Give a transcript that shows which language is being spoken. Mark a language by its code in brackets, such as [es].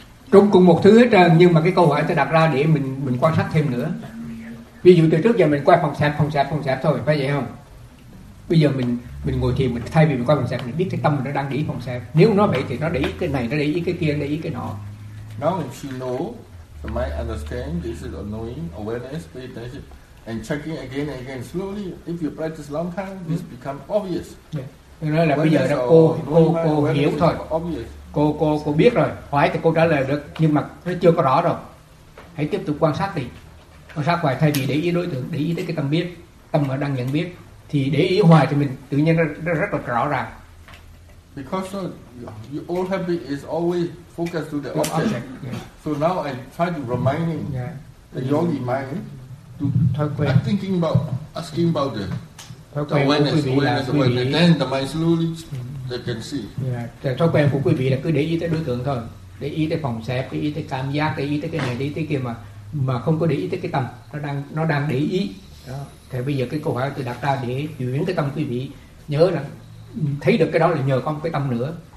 [vi] Trong cùng một thứ hết trơn, nhưng mà cái câu hỏi tôi đặt ra để mình quan sát thêm nữa. Ví dụ từ trước giờ mình qua phòng sạch thôi, phải vậy không? Bây giờ mình ngồi thiền, mình thay vì mình qua phòng sạch, mình biết cái tâm mình nó đang để ý phòng sạch. Nếu nó vậy thì nó để ý cái này, nó để ý cái kia, nó để ý cái nọ. [en] Now if you know, the mind understand, this is annoying, awareness, pay attention, and checking again and again slowly. If you practice long time, this become obvious. Yeah. [vi] Nói là bây giờ là cô hiểu thôi. [en] Obvious. [vi] Cô biết rồi, hỏi thì cô trả lời được, nhưng mà nó chưa có rõ rồi. Hãy tiếp tục quan sát đi. Quan sát hoài thay vì để ý đối tượng, để ý tới cái tâm biết, tâm mà đang nhận biết. Thì để ý hoài thì mình tự nhiên nó rất là rõ ràng. [en] Because your old habit is always focused to the object. Yeah. So now I try to remind him, the yogi mind, to thinking about, asking about the awareness. Then the mind slowly... Yeah. [vi] Thói quen của quý vị là cứ để ý tới đối tượng thôi, để ý tới phòng xẹp, để ý tới cảm giác, để ý tới cái này, để ý tới kia mà không có để ý tới cái tâm nó đang để ý. Đó. Thì bây giờ cái câu hỏi tôi đặt ra để chuyển cái tâm quý vị nhớ là thấy được cái đó là nhờ có một cái tâm nữa.